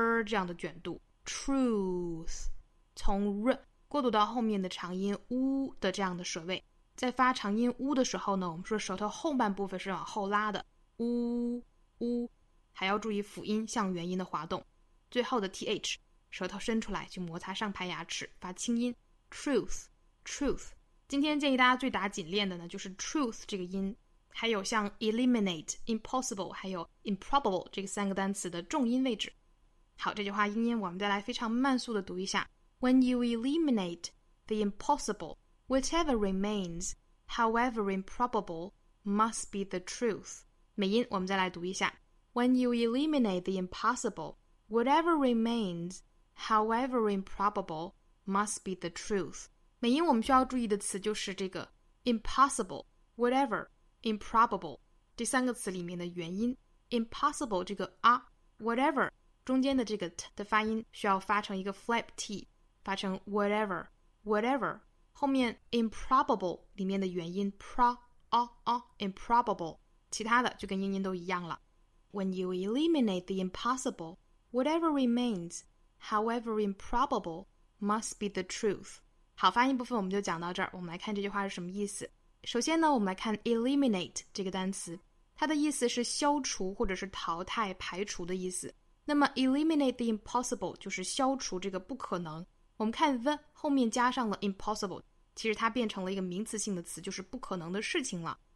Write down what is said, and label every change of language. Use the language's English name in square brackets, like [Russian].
[Chinese] 这样的卷度 truth, 从 r 过渡到后面的长音 u 的这样的舌位，在发长音 u 的时候呢，我们说舌头后半部分是往后拉的 u u, 还要注意辅音向元音的滑动，最后的 th 舌头伸出来去摩擦上排牙齿发轻音 truth truth。今天建议大家最打紧练的呢就是 truth 这个音，还有像 eliminate, impossible, 还有 improbable 这三个单词的重音位置。好，这句话英音我们再来非常慢速的读一下。 [English] When you eliminate the impossible, whatever remains, however improbable, must be the truth. [Chinese] 美音我们再来读一下。 [English] When you eliminate the impossible, whatever remains, however improbable, must be the truth. [Chinese] 美音我们需要注意的词就是这个 impossible, whatever, improbable, 这三个词里面的元音。 impossible 这个啊 whatever, 中间的这个 t 的发音需要发成一个 flap t, 发成 whatever, whatever, 后面 improbable 里面的元音 pro, a, a, improbable, 其他的就跟音都一样了。 [English] When you eliminate the impossible, whatever remains, however improbable, must be the truth. [Chinese] 好，发音部分我们就讲到这儿。我们来看这句话是什么意思。首先呢，我们来看 eliminate 这个单词，它的意思是消除或者是淘汰、排除的意思。那么 eliminate the impossible 就是消除这个不可能。我们看 the 后面加上了 impossible, 其实它变成了一个名词性的词，就是不可能的事情了。